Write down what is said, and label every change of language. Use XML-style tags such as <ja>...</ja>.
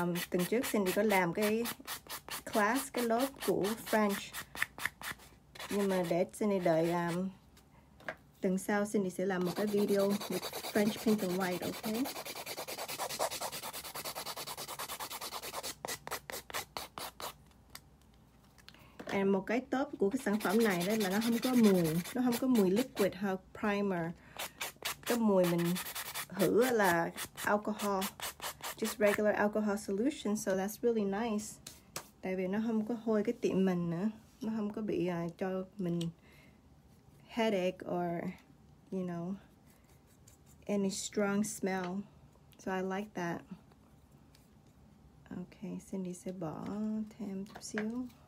<vi>Tuần trước Cindy có làm cái class, cái lớp của French, nhưng mà để Cindy đợi tuần sau Cindy sẽ làm một cái video</vi> <en>with French pink and white.</en> <vi>Ok, And một cái top của cái sản phẩm này đây là nó không có mùi, nó không có mùi liquid hoặc primer. Cái mùi mình thử là alcohol,</vi> <en>just regular alcohol solution, so that's really nice.</en> <vi>Tại vì nó không có hôi cái tiệm mình nữa, nó không có bị cho mình headache</vi> <en>or, you know, any strong smell. So I like that.</en> <vi>Okay, Cindy sẽ bỏ thêm chút xíu.</vi>